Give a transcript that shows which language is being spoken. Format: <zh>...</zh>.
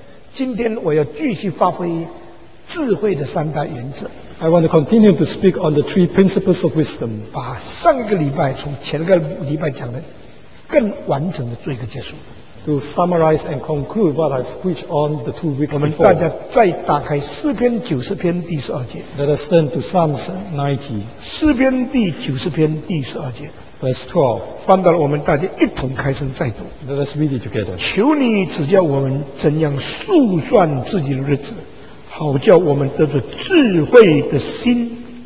<zh>今天我要继续发挥智慧的三大原则。</zh> <en>I want to continue to speak on the three principles of wisdom.</en> <zh>把上个礼拜从前个礼拜讲的更完整的做一个结束。</zh> <en>To summarize and conclude what I preached on the 2 weeks before.</en> <zh>我们大家再打开诗篇九十篇第十二节。</zh> <en>Let us turn to Psalms 90.</en> <zh>诗篇第九十篇第十二节。</zh> <en>Verse 12.</en> <zh>翻到了我们大家一同开声再读。</zh> <en>Let us read it together.</en> <zh>求你指教我们怎样数算自己的日子，好叫我们得着智慧的心。</zh>